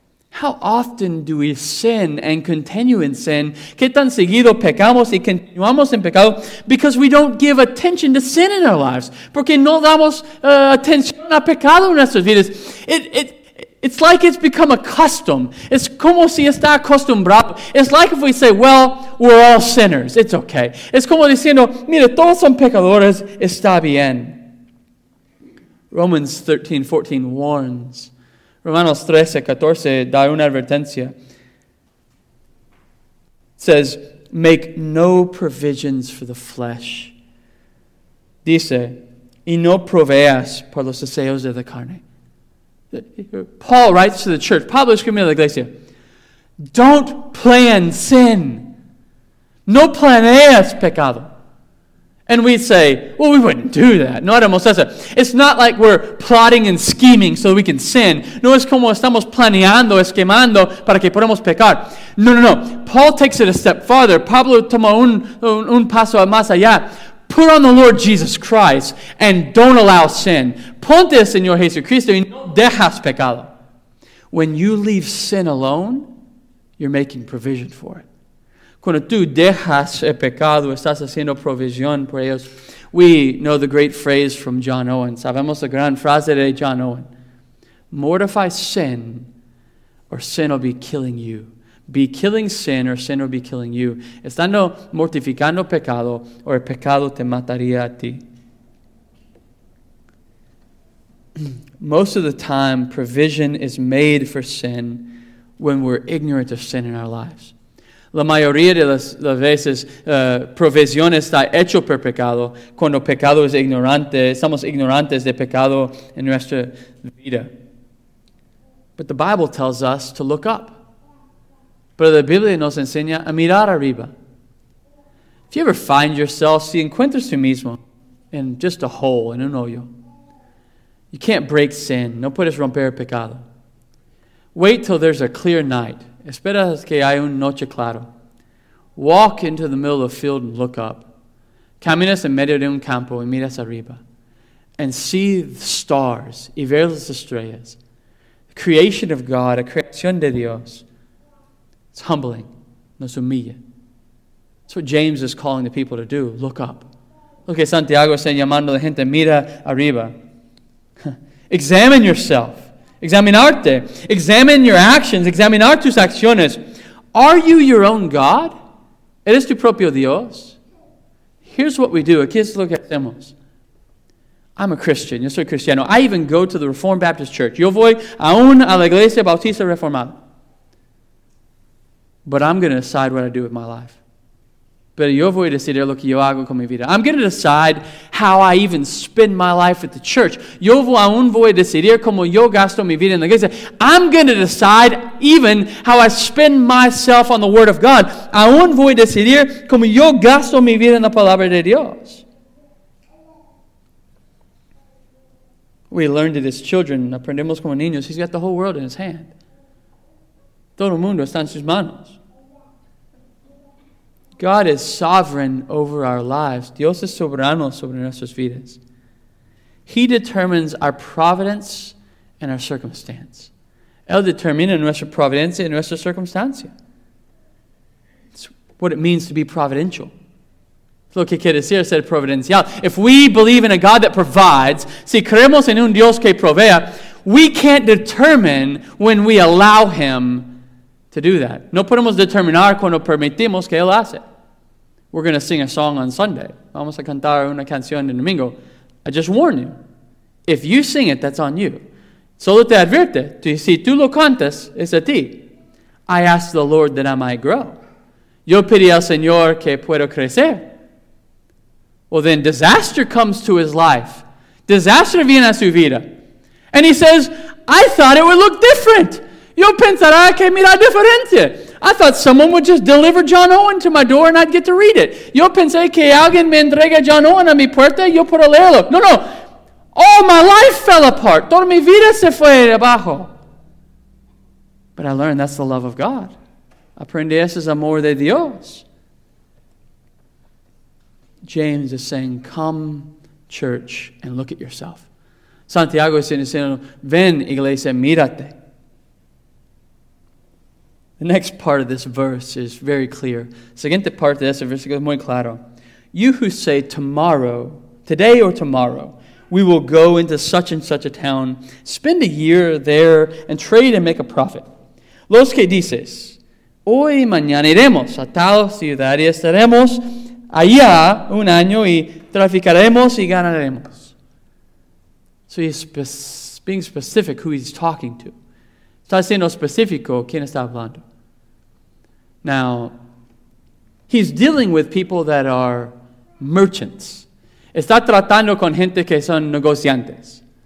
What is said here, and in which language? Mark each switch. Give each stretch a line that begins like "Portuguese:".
English: How often do we sin and continue in sin?
Spanish: ¿Qué tan seguido pecamos y continuamos en pecado?
English: Because we don't give attention to sin in our lives.
Spanish: Porque no damos atención a pecado en nuestras vidas.
English: It's like it's become a custom. It's
Spanish: como si está acostumbrado.
English: It's like if we say, well, we're all sinners. It's okay. It's
Spanish: como diciendo, mira, todos son pecadores. Está bien.
English: Romans 13:14 warns.
Spanish: Romanos 13, 14, da una advertencia.
English: It says, make no provisions for the flesh.
Spanish: Dice, y no proveas por los deseos de la carne.
English: Paul writes to the church,
Spanish: Pablo escribe a la iglesia,
English: don't plan sin.
Spanish: No planeas pecado.
English: And we say, well, we wouldn't do that.
Spanish: No haremos eso.
English: It's not like we're plotting and scheming so we can sin.
Spanish: No es como estamos planeando, esquemando para que podamos pecar. No, no, no.
English: Paul takes it a step farther.
Spanish: Pablo toma un paso más allá.
English: Put on the Lord Jesus Christ and don't allow sin.
Spanish: Ponte al Señor Jesucristo y no dejas pecado.
English: When you leave sin alone, you're making provision for it.
Spanish: Cuando tú dejas el pecado, estás haciendo provisión por ellos.
English: We know the great phrase from John Owen.
Spanish: Sabemos la gran frase de John Owen.
English: Mortify sin, or sin will be killing you. Be killing sin, or sin will be killing you.
Spanish: Estando mortificando pecado, or el pecado te mataría a ti.
English: Most of the time, provision is made for sin when we're ignorant of sin in our lives.
Spanish: La mayoría de las veces, provisión está hecho por pecado. Cuando pecado es ignorante, estamos ignorantes de pecado en nuestra vida.
English: But the Bible tells us to look up.
Spanish: Pero la Biblia nos enseña a mirar arriba.
English: If you ever find yourself,
Spanish: si encuentras tú mismo,
English: in just a hole, in
Spanish: un hoyo,
English: you can't break sin,
Spanish: no puedes romper pecado.
English: Wait till there's a clear night.
Spanish: Espera que hay una noche clara.
English: Walk into the middle of a field and look up.
Spanish: Caminas en medio de un campo y miras arriba.
English: And see the stars
Spanish: y ver las estrellas.
English: The creation of God,
Spanish: a creación de Dios.
English: It's humbling.
Spanish: Nos humilla.
English: That's what James is calling the people to do. Look up. Look at Santiago saying,
Spanish: llamando a la gente, mira arriba.
English: Examine yourself.
Spanish: Examinarte.
English: Examine your actions.
Spanish: Examinar tus acciones.
English: Are you your own God?
Spanish: ¿Eres tu propio Dios?
English: Here's what we do.
Spanish: Aquí es lo que hacemos.
English: I'm a Christian.
Spanish: Yo soy cristiano.
English: I even go to the Reformed Baptist Church.
Spanish: Yo voy aún a la Iglesia Bautista Reformada.
English: But I'm going to decide what I do with my life.
Spanish: Pero yo voy a decidir lo que yo hago con mi vida.
English: I'm going to decide how I even spend my life at the church.
Spanish: Yo aún voy a decidir cómo yo gasto mi vida en la iglesia.
English: I'm going to decide even how I spend myself on the Word of God.
Spanish: Aún voy a decidir cómo yo gasto mi vida en la palabra de Dios.
English: We learned it as children.
Spanish: Aprendemos como niños.
English: He's got the whole world in his hand.
Spanish: Todo el mundo está en sus manos.
English: God is sovereign over our lives.
Spanish: Dios es soberano sobre nuestras vidas.
English: He determines our providence and our circumstance.
Spanish: Él determina nuestra providencia y nuestra circunstancia.
English: It's what it means to be providential.
Spanish: Lo que quiere decir ser providencial.
English: If we believe in a God that provides,
Spanish: si creemos en un Dios que provea,
English: we can't determine when we allow Him to do that.
Spanish: No podemos determinar cuando permitimos que Él hace.
English: We're going to sing a song on Sunday.
Spanish: Vamos a cantar una canción el domingo.
English: I just warn you. If you sing it, that's on you.
Spanish: Solo te advierte. Si tú lo cantas, es a ti.
English: I ask the Lord that I might grow.
Spanish: Yo pedí al Señor que puedo crecer.
English: Well, then disaster comes to his life.
Spanish: Disaster viene a su vida.
English: And he says, I thought it would look different.
Spanish: Yo pensará que mira diferente.
English: I thought someone would just deliver John Owen to my door and I'd get to read it.
Spanish: Yo pensé que alguien me entrega John Owen a mi puerta y yo puedo leerlo. No, no.
English: All my life fell apart.
Spanish: Toda mi vida se fue abajo.
English: But I learned that's the love of God.
Spanish: Aprende ese es amor de Dios.
English: James is saying, come, church, and look at yourself.
Spanish: Santiago
English: is saying,
Spanish: ven, iglesia, mírate.
English: The next part of this verse is very clear.
Spanish: Siguiente parte de ese versículo es muy claro.
English: You who say tomorrow, today or tomorrow, we will go into such and such a town, spend a year there and trade and make a profit.
Spanish: Los que dices, hoy y mañana iremos a tal ciudad y estaremos allá un año y traficaremos y ganaremos.
English: So he's being specific who he's talking to.
Spanish: Está siendo específico quién está hablando.
English: Now, he's dealing with people that are merchants.
Spanish: Está tratando con gente que son negociantes.